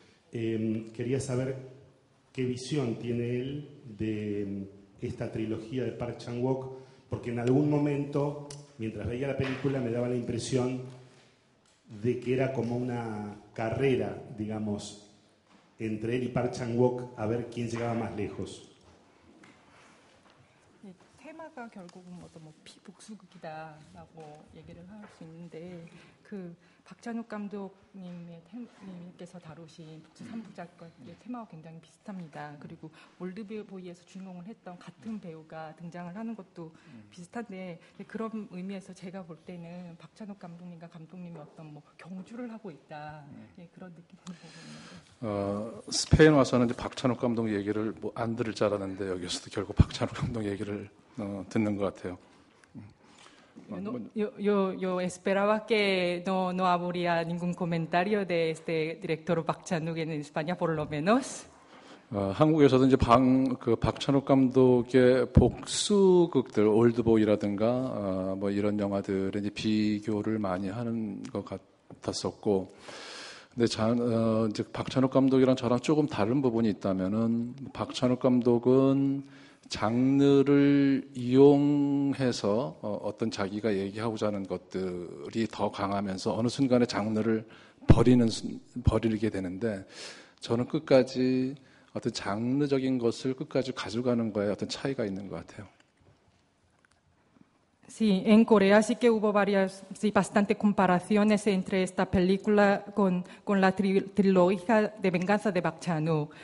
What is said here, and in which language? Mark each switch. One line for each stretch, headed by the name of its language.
Spanish: Quería saber qué visión tiene él de esta trilogía de Park Chan-wook, porque en algún momento, mientras veía la película, me daba la impresión de que era como una carrera, digamos, entre él y Park Chan-wook, a ver quién llegaba más lejos.
Korean: 결국은 어떤 뭐 피 복수극이다라고 얘기를 할 수 있는데 그 박찬욱 감독님께서 다루신 복수 삼부작의 테마와 굉장히 비슷합니다. 그리고 올드보이에서 주인공을 했던 같은 배우가 등장을 하는 것도 비슷한데, 그런 의미에서 제가 볼 때는 박찬욱 감독님과 감독님이 어떤 뭐 경주를 하고 있다, 그런 느낌을 보고 있는데. 스페인 와서는 이제 박찬욱 감독 얘기를 뭐 안 들을 줄 알았는데 여기서도 결국 박찬욱 감독 얘기를 듣는 것 같아요.
Spanish: Yo esperaba que no habría ningún comentario de este director Park Chan-wook en España, por lo menos.
Korean: 한국에서도 이제 박찬욱 감독의 복수극들, 올드보이라든가 뭐 이런 영화들에 이제 비교를 많이 하는 것 같았었고, 근데 이제 박찬욱 감독이랑 저랑 조금 다른 부분이 있다면은, 박찬욱 감독은 장르를 이용해서 어떤 자기가 얘기하고자 하는 것들이 더 강하면서 어느 순간에 장르를 버리게 되는데, 저는 끝까지 어떤 장르적인 것을 끝까지 가져가는 거에 어떤 차이가 있는 것 같아요.
Spanish: Sí, en Corea sí que hubo varias, sí, bastante comparaciones entre esta película con la trilogía de venganza de Park Chan-wook.